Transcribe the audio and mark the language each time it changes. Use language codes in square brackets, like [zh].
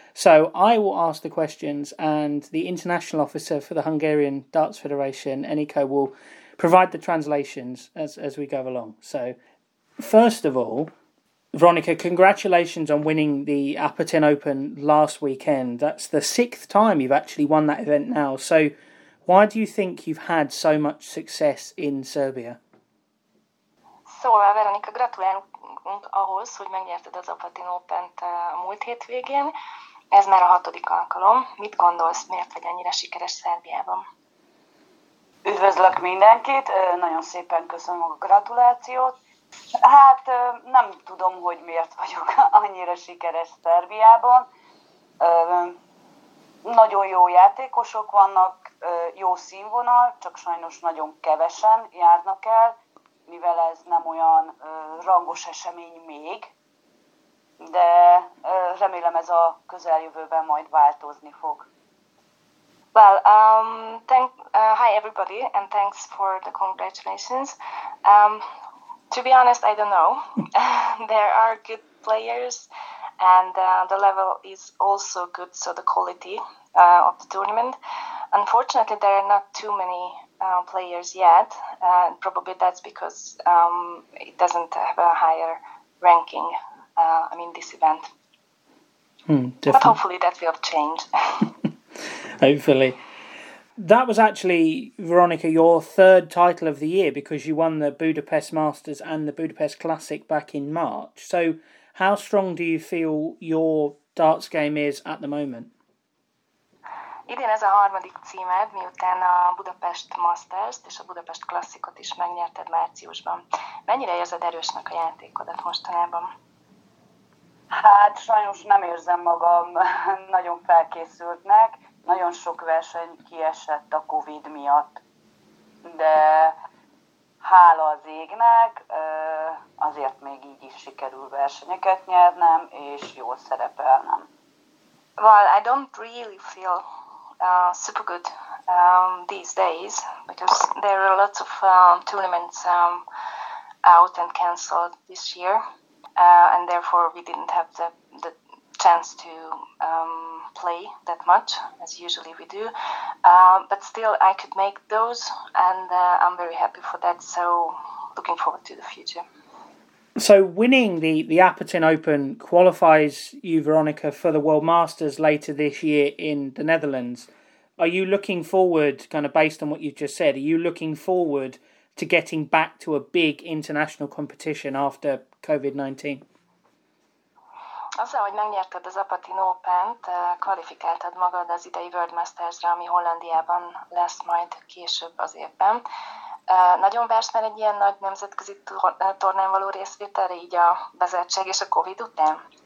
[en] So I will ask the questions, and the international officer for the Hungarian Darts Federation, Eniko, will provide the translations as we go along. So first of all, Veronica, congratulations on winning the Appleton Open last weekend. That's the sixth time you've actually won that event now. So why do you think you've had so much success in Serbia? [hu] Szóval, Veronika, gratulálunk ahhoz, hogy megnyerted az Appleton Open-t a múlt hétvégén. Ez már a hatodik alkalom. Mit gondolsz, miért vagy ennyire sikeres Szerbiában? Üdvözlök mindenkit, nagyon szépen köszönöm a gratulációt. Hát nem tudom, hogy miért vagyok annyira sikeres Szerbiában. Nagyon jó játékosok vannak, jó színvonal, csak sajnos nagyon kevesen járnak el, mivel ez nem olyan rangos esemény még, de remélem ez a közeljövőben majd változni fog. [en] Well, hi everybody, and thanks for the congratulations. To be honest, I don't know. There are good players, and the level is also good, so the quality of the tournament. Unfortunately, there are not too many players yet. Probably that's because it doesn't have a higher ranking, this event. But hopefully that will change. Hopefully. That was actually, Veronica, your third title of the year, because you won the Budapest Masters and the Budapest Classic back in March. So how strong do you feel your darts game is at the moment? [hu] Idén ez a harmadik címed, miután a Budapest Masters-t és a Budapest Classic-ot is megnyerted márciusban. Mennyire érzed erősnek a játékodat mostanában? Hát sajnos nem érzem magam nagyon felkészültnek. Nagyon sok verseny kiesett a Covid miatt, de hála az égnek, azért még így is sikerül versenyeket nyernem, és jól szerepelnem. [en] Well, I don't really feel super good these days, because there are lots of tournaments out and cancelled this year, and therefore we didn't have the chance to play that much as usually we do, but still I could make those, and I'm very happy for that, so looking forward to the future. So winning the Appleton Open qualifies you, Veronica, for the World Masters later this year in the Netherlands. Are you looking forward, kind of based on what you've just said, are you looking forward to getting back to a big international competition after COVID-19? [hu] Azzal, hogy megnyerted az Appleton Open-t, kvalifikáltad magad az idei World Masters-re, ami Hollandiában lesz majd később az évben. Nagyon vársz már egy ilyen nagy nemzetközi tornán való részvételre, így a bezártság és a Covid után?